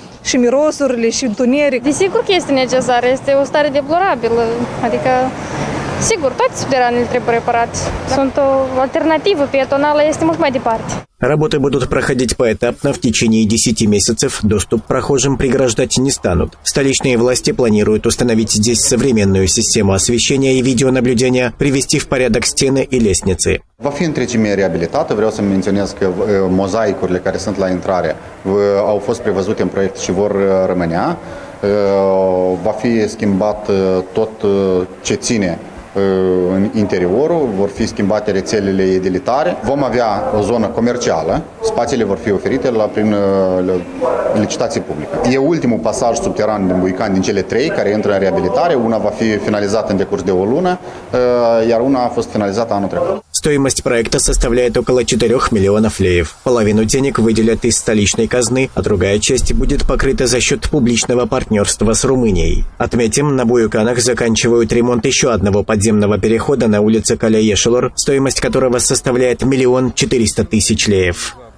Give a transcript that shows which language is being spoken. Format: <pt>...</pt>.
<ro>Și mirosurile, și întuneric. Desigur că este necesar, este o stare deplorabilă. Adică, sigur, toate subteranele trebuie reparate. Sunt o alternativă pietonală, este mult mai departe.</ro> <ru>Работы будут проходить поэтапно в течение 10 месяцев. Доступ прохожим преграждать не станут. Столичные власти планируют установить здесь современную систему освещения и видеонаблюдения, привести в порядок стены и лестницы.</ru> <ro>Va fi întregime reabilitată. Vreau să menționez că mozaicurile care sunt la intrare au fost prevăzute în proiect și vor rămânea. Va fi schimbat tot ce ține în interiorul, vor fi schimbate rețelele edilitare, vom avea o zonă comercială, spațiile vor fi oferite prin licitație publică. E ultimul pasaj subteran din Buican, din cele trei, care intră în reabilitare, una va fi finalizată în decurs de o lună, iar una a fost finalizată anul trecut.</ro> <ru>Стоимость проекта составляет около 4 миллионов леев. Половину денег выделят из столичной казны, а другая часть будет покрыта за счет публичного партнерства с Румынией. Отметим, на Буюканах заканчивают ремонт еще одного подземного перехода на улице Каля-Ешелор, стоимость которого составляет 1 400 000 леев.</ru>